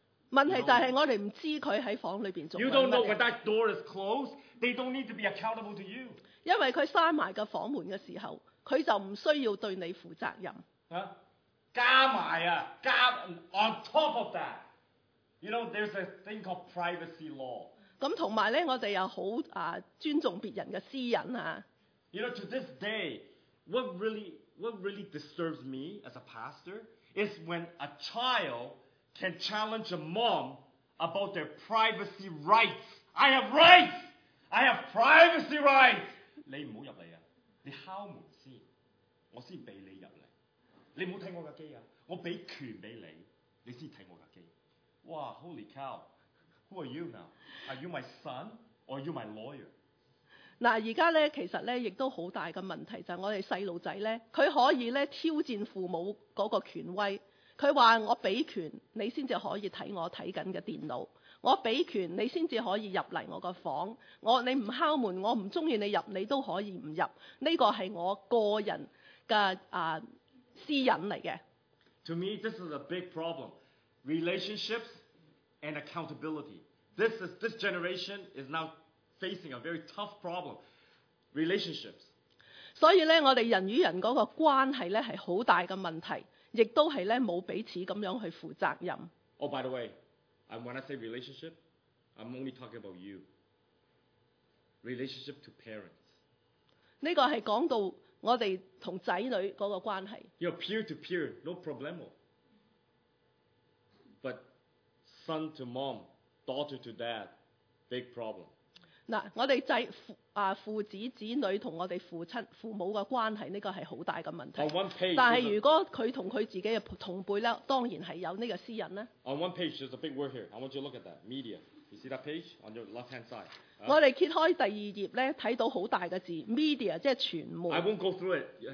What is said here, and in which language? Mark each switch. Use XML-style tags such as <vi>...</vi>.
<yue>問題就係我哋唔知佢喺房裏邊做乜嘢。</yue> <en>You don't know when that door is closed, they don't need to be accountable to you.</en> <yue>因為佢閂埋個房門嘅時候，佢就唔需要對你負責任。啊？加埋啊，加</yue> <en>on top of that, you know there's a thing called privacy law.</en> <yue>咁同埋咧，我哋又好尊重別人嘅私隱啊。</yue> <en>You know, to this day, what really disturbs me as a pastor is when a child can challenge a mom about their privacy rights. I have rights. I have privacy rights.</en> <yue>你唔好入嚟啊！你敲門先，我先俾你入嚟。你唔好睇我架機啊！我俾權俾你，你先睇我架機。哇 ！</yue> <en>Holy cow! Who are you now? Are you my son or are you my lawyer?</en> <yue>嗱，而家咧其實咧亦都好大嘅問題就係我哋細路仔咧，佢可以咧挑戰父母嗰個權威。佢話我俾權你先至可以睇我睇緊嘅電腦，我俾權你先至可以入嚟我個房。你唔敲門，我唔中意你入，你都可以唔入。呢個係我個人嘅私隱嚟嘅。</yue> <en>To me, this is a big problem. Relationships and accountability. This generation is now facing a very tough problem. Relationships.</en> <yue>所以咧，我哋人與人嗰個關係咧係好大嘅問題，亦都係咧冇彼此咁樣去負責任。</yue> <en>Oh, by the way, when I say relationship, I'm only talking about you. Relationship to parents.</en> <yue>呢個係講到我哋同仔女嗰個關係。</yue> <en>You're peer to peer, no problemo. But son to mom, daughter to dad, big problem.</en> <yue>嗱，我哋仔父子子女同我哋父親父母嘅關係，呢個係好大嘅問題。</yue> <en>On one page,</en> <yue>但係如果佢同佢自己嘅同輩咧，當然係有呢個私隱啦。</yue> <en>On one page, there's a big word here. I want you to look at that media. You see that page on your left hand side.</en> <yue>我哋揭開第二頁咧，睇到好大嘅字 ，media 即係傳媒。</yue> <en>I won't go through it.</en>